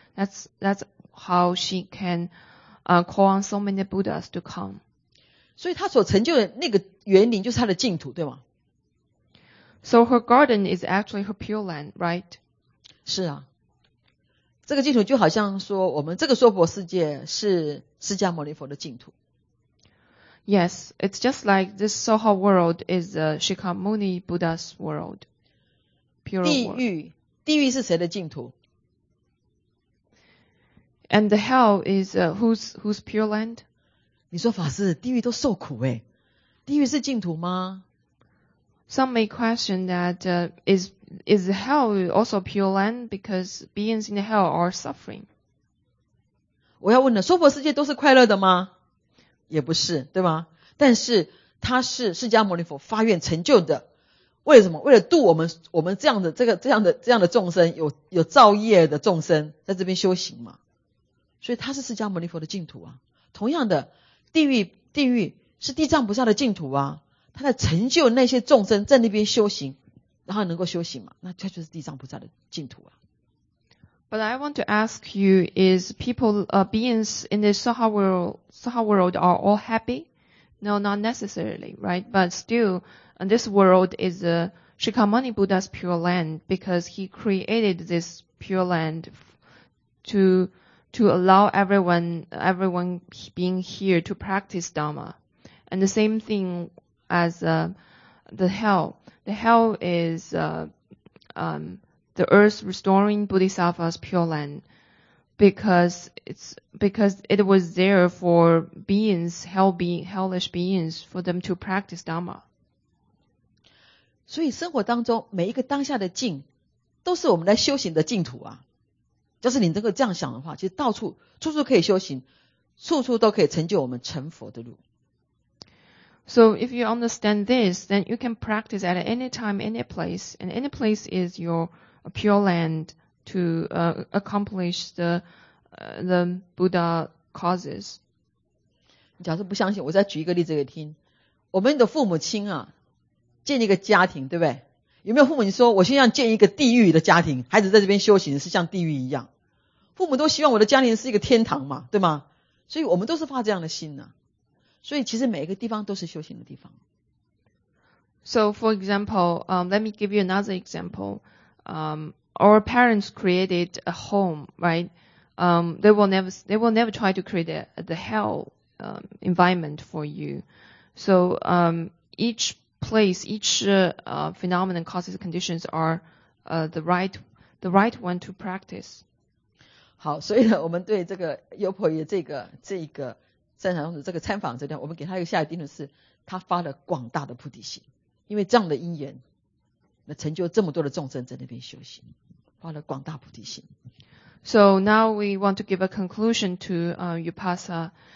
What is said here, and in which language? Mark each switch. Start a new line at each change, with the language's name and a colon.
English: That's how she can, call on so many Buddhas to come.
Chinese: 所以她所成就的那个园林就是她的净土，对吗？
English: So her garden is actually her pure land, right?
Chinese: 是啊。这个净土就好像说我们这个娑婆世界是释迦牟尼佛的净土。
English: Yes, it's just like this Soha world is the Shikamuni Buddha's world. Pure world.
Chinese: 地狱是谁的净土？
English: And the hell is whose pure land?
Chinese: 你说法师，地狱都受苦耶，地狱是净土吗？
English: Some may question that is the hell also pure land because beings in the hell are suffering.
Chinese: 我要问了，娑婆世界都是快乐的吗？也不是，对吗？但是它是释迦牟尼佛发愿成就的。为什么？为了度我们这样的这个这样的众生，有造业的众生在这边修行嘛？所以他是释迦牟尼佛的净土啊。同样的，地狱是地藏菩萨的净土啊。他在成就那些众生在那边修行，然后能够修行嘛？那他就是地藏菩萨的净土啊。
English: But I want to ask you: Is people, beings in the Soha world are all happy? No, not necessarily, right? But still. And this world is the Shikamani Buddha's pure land because he created this pure land to allow everyone being here to practice Dharma. And the same thing as the hell. The hell is the earth restoring Bodhisattva's pure land, because it was there for beings, hellish beings, for them to practice Dharma.
Chinese: 所以生活当中每一个当下的境都是我们来修行的净土啊。就是你能够这样想的话，其实到处处处可以修行，处处都可以成就我们成佛的路。
English: So if you understand this, then you can practice at any time, any place, and any place is your pure land to accomplish the Buddha causes.
Chinese: 你假设不相信，我再举一个例子给你听。我们的父母亲啊，建一个家庭，对不对？有没有父母亲说，我希望建一个地狱的家庭，孩子在这边修行是像地狱一样？父母都希望我的家庭是一个天堂嘛，对吗？所以我们都是发这样的心呢、啊。所以其实每一个地方都是修行的地方。
English: So for example, let me give you another example. Our parents created a home, right? They will never try to create the hell environment for you. So each place, each phenomenon, causes, conditions are the right one to practice.
Chinese: 好，所以呢，我们对这个优婆夷这个。善财童子这个参访者，我们给他一个下一定的是，他发了广大的菩提心，因为这样的因缘，那成就这么多的众生在那边修行，发了广大菩提心。
English: So now we want to give a conclusion to Upasa.